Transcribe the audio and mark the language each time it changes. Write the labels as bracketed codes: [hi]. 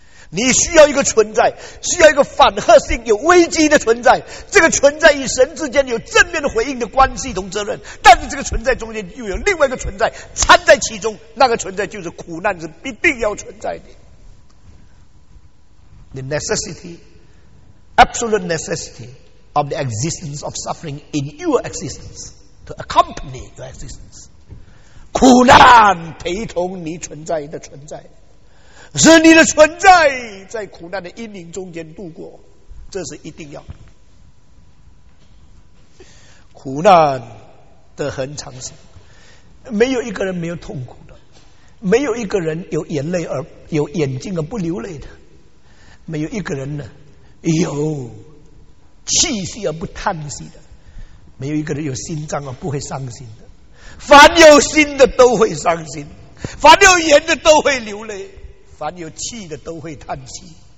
[zh] 你需要一个存在，需要一个反合性有危机的存在，这个存在与神之间有正面的回应的关系同责任，但是这个存在中间又有另外一个存在掺在其中，那个存在就是苦难是必定要存在的。 [en] The necessity, absolute necessity of the existence of suffering in your existence to accompany your existence. [zh] 苦难陪同你存在的存在，是你的存在在苦难的阴影中间度过，这是一定要。苦难的恒常性，没有一个人没有痛苦的，没有一个人有眼泪而有眼睛而不流泪的，没有一个人呢有气息而不叹息的，没有一个人有心脏而不会伤心的，凡有心的都会伤心，凡有眼的都会流泪，凡有气的都会叹息。